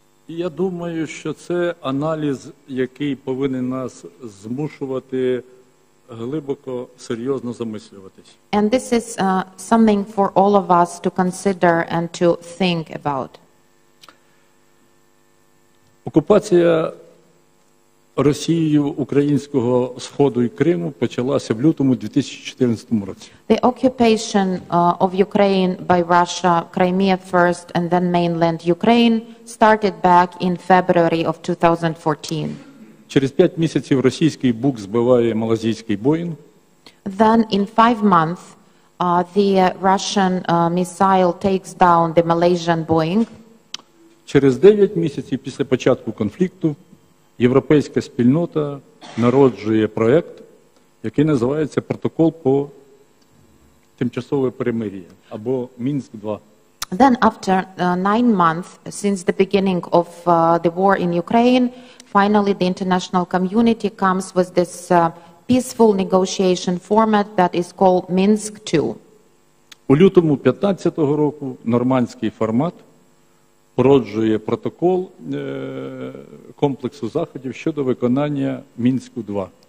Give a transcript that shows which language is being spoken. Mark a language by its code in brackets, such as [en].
[uk] Я думаю, що це аналіз, який повинен нас змушувати глибоко, серйозно замислюватись. [en] And this is something for all of us to consider and to think about. [uk] Окупація Росією українського сходу і Криму почалася в лютому 2014 році. [en] The occupation of Ukraine by Russia, Crimea first and then mainland Ukraine, started back in February of 2014. [uk] Через 5 місяців російський БУК збиває малазійський Боїнг. [en] Then in 5 months the Russian missile takes down the Malaysian Boeing. [uk] Через 9 місяців після початку конфлікту європейська спільнота народжує проект, який називається Протокол про тимчасове перемир'я або Мінськ 2. [en] Then after 9 months since the beginning of the war in Ukraine, finally the international community comes with this peaceful negotiation format that is called Minsk 2. [uk] У лютому 15-го року нормандський формат породжує протокол комплексу заходів щодо виконання Мінську-2.